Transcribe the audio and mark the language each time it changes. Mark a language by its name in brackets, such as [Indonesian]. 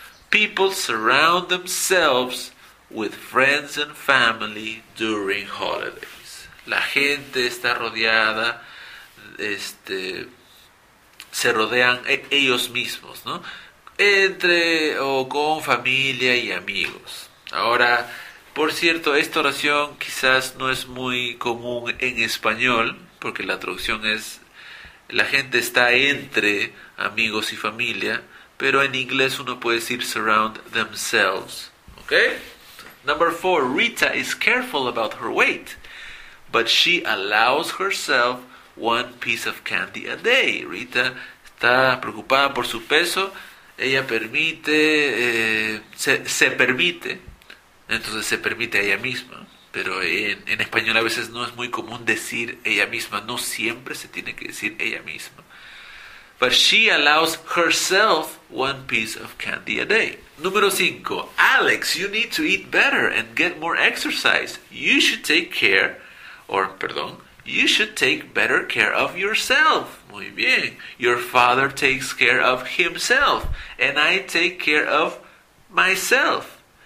[English] People surround themselves with friends and family during holidays. [Spanish] La gente está rodeada, se rodean ellos mismos, ¿no? Entre o con familia y amigos. Ahora, por cierto, esta oración quizás no es muy común en español, porque la traducción es la gente está entre amigos y familia, pero en inglés uno puede decir [English] surround themselves. [Spanish] ¿Ok? [English] Number four, Rita is careful about her weight, but she allows herself one piece of candy a day. [Spanish] Rita está preocupada por su peso. Ella permite, se permite, entonces se permite a ella misma, pero en español a veces no es muy común decir ella misma, no siempre se tiene que decir ella misma. [English] But she allows herself one piece of candy a day. [Spanish] Número 5. [English] Alex, you need to eat better and get more exercise. You should take care, or perdón, you should take better care of yourself. [Spanish] Muy bien. [English] Your father takes care of himself, and I take care of myself.